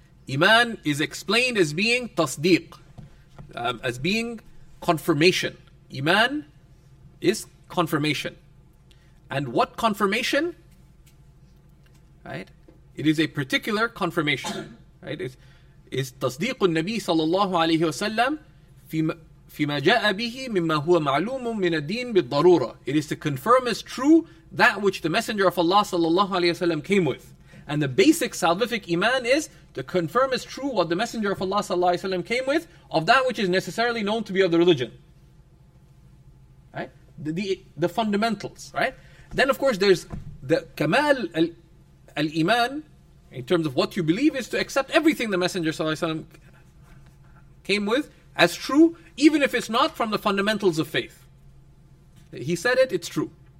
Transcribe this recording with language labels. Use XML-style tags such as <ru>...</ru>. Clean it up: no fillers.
<en>Iman is explained as being tasdeeq, as being confirmation. Iman is confirmation. And what confirmation? Right? It is a particular confirmation. Right? It's</en> <ar>تصديق النبي صلى الله عليه وسلم فيما جاء به مما هو معلوم من الدين بالضرورة.</ar> <en>It is to confirm as true that which the Messenger of Allah sallallahu alayhi wa sallam came with. And the basic salvific iman is to confirm as true what the Messenger of Allah sallallahu alayhi wa sallam came with of that which is necessarily known to be of the religion. Right? The fundamentals, right? Then of course there's the kamal al-iman in terms of what you believe is to accept everything the Messenger sallallahu alayhi wa sallam came with as true, even if it's not from the fundamentals of faith. He said it, it's true.</en>